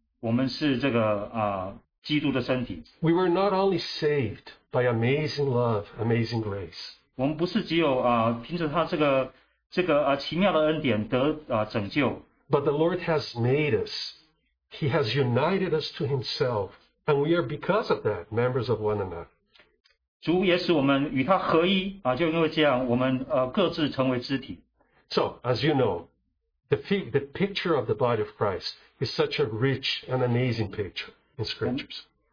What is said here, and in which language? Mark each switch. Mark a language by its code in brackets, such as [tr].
[zh] 就是说我们现在凭着恩典,我们是这个基督的身体。 [en] We were not only saved by amazing love, amazing grace. [zh] 我们不是只有凭着他这个奇妙的恩典得拯救。 [en] But the Lord has made us. He has united us to Himself. And we are because of that members of one another. [zh] 主也使我们与他合一,就因为这样,我们各自成为肢体。 [en] So, as you know, the picture of the body of Christ is such a rich and amazing picture in Scriptures.